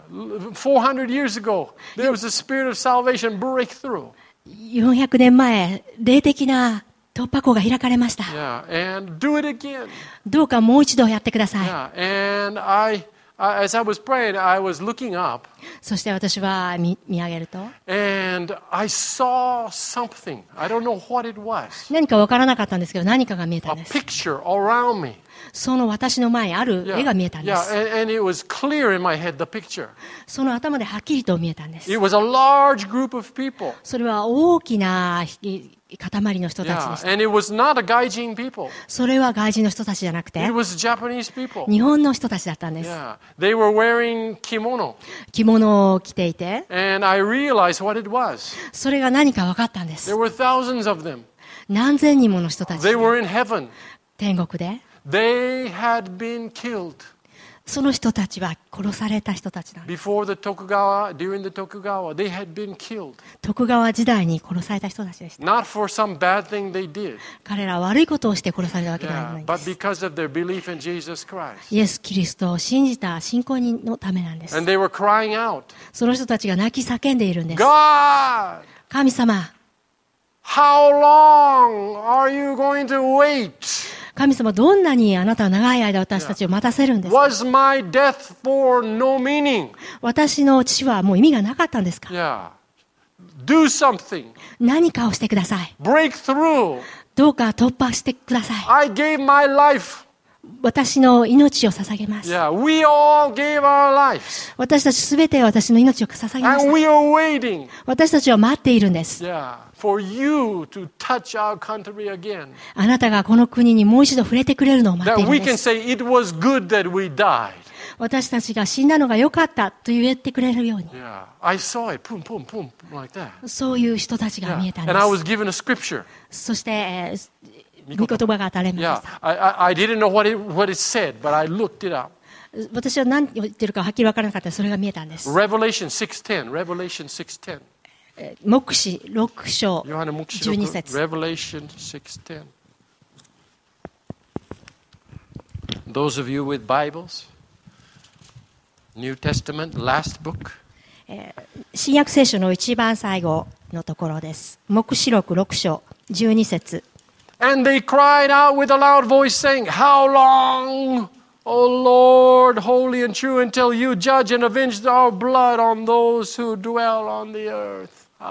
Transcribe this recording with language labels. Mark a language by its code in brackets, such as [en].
[en] 400 years ago, there was a spirit of salvation breakthrough. [ja] 400年前霊的な突破口が開かれました。 [en] Yeah, and do it again. [ja] どうかもう一度やってください。 [en] Yeah, and as I was praying, I was looking up. [ja] そして私は見上げると [en] and I saw something. I don't know what it was. [ja] 何か分からなかったんですけど何かが見えたんです。 [en] A picture around me. [ja] その私の前にある絵が見えたんです。 [en] yeah, and it was clear in my head, the picture. [ja] その頭ではっきりと見えたんです。 [en] it was a large group of people. [ja] それは大きな塊の人たちでした。 [en] yeah, and it was not a gaijin people. [ja] それは外人の人たちじゃなくて [en] it was Japanese people. [ja] 日本の人たちだったんです。 [en] yeah, they were wearing kimono. [ja] 着物を着ていて、 [en] And I realized what it was. [ja] それが何か分かったんです。 [en] There were thousands of them. [ja] 何千人もの人たち。 [en] They were in heaven. [ja] 天国で。 [en] They had been killed. [ja] その人たちは殺された人たちなんです。 [en] Before the Tokugawa, during the Tokugawa, they had been killed. [ja] 徳川時代に殺された人たちでした。 [en] Not for some bad thing they did. [ja] 彼らは悪いことをして殺されたわけではないんです。 [en] Yeah, but because of their belief in Jesus Christ. [ja] イエス・キリストを信じた信仰のためなんです。 [en] And they were crying out. [ja] その人たちが泣き叫んでいるんです。 [en] God! [ja] 神様。 [en] How long are you going to wait? [ja] 神様、どんなにあなたは長い間私たちを待たせるんですか。 [en] Was my death for no meaning? [ja] 私の死はもう意味がなかったんですか。 [en] Do something. [ja] 何かをしてください。 [en] Break through. [ja] どうか突破してください。 [en] I gave my life. [ja] 私の命を捧げます。 [en] Yeah, we all gave our lives. [ja] 私たちすべて私の命を捧げました。 [en] And we are waiting. [ja] 私たちは待っているんです。 [en] Yeah. For you to touch our country again. [ja] あなたがこの国にもう一度触れてくれるのを待っているんです。 [en] That we can say it was good that we died. [ja] 私たちが死んだのが良かったと言ってくれるように。 [en] Yeah, I saw it. Pum pum pum like that. [ja] そういう人たちが見えたんです。 [en] Yeah. And I was given a scripture. [ja] そして御言葉が与えられました。 [en] Yeah, I didn't know what it said, but I looked it up. [ja] 私は何を言ってるかはっきり分からなかった。それが見えたんです。 [en] Revelation 6:10. Revelation 6:10. [ja] 黙示録章12節 [en] Revelation 6:10. Those of you with Bibles, New Testament, last book. [ja] 新約聖書の一番最後のところです。黙示録6章12節 [en] And they cried out with a loud voice, saying, How long, O Lord, holy and true, until you judge and avenge our blood on those who dwell on the earth?